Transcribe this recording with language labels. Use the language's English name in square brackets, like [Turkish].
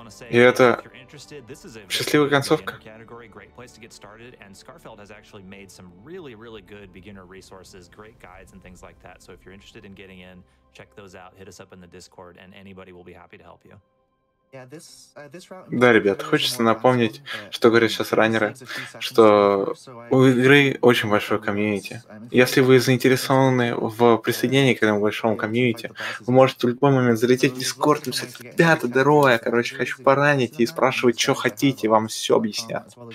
[Russian] И это счастливая концовка. [English] Place to get started, and Scarfeld has actually made some really, really good beginner resources, great guides and things like that. So if you're interested in getting in, check those out. Hit us up in the Discord, and anybody will be happy to help you. Yeah, this route. [Russian] Да, ребят, хочется напомнить, что говорят сейчас раннеры, что у игры очень большое комьюнити. Если вы заинтересованы в присоединении к этому большому комьюнити, вы можете в любой момент залететь в Discord и сказать: «Ребята, здорово, я, короче, хочу поранить», и спрашивать, что хотите, вам все объяснят.